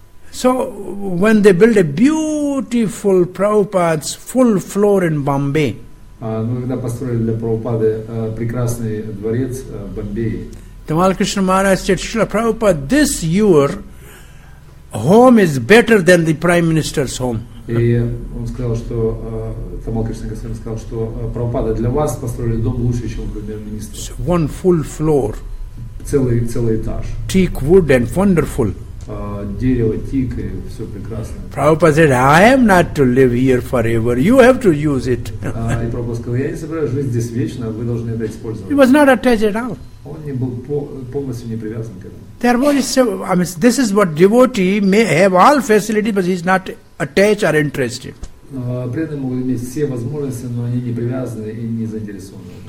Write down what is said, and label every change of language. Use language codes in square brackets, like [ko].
[en] So when they build a beautiful Prabhupada's full floor in Bombay, [ru] когда построили для Прабхупады прекрасный дворец в Бомбее. [en] Tamal Krishna Maharaj said, Srila Prabhupada, this your home is better than the Prime Minister's home. [ru] И он сказал, что Tamal Krishna Goswami сказал, что Прабхупада, для вас построили дом лучше, чем премьер-министр. [en] One full floor. [ru] Целый этаж. [en] Teak wood and wonderful. [ru] Дерево, тик, и все прекрасно. [en] Prabhupada said, I am not to live here forever. You have to use it. [ru] И Прабхупада сказал, я не собираюсь жить здесь вечно, вы должны это использовать. [en] He was not attached at all. [ru] Он не был полностью не привязан к этому. [en] There was, this is what devotee may have all facilities, but he is not attached or interested. [ru] Преданные могут иметь все возможности, но они не привязаны и не заинтересованы.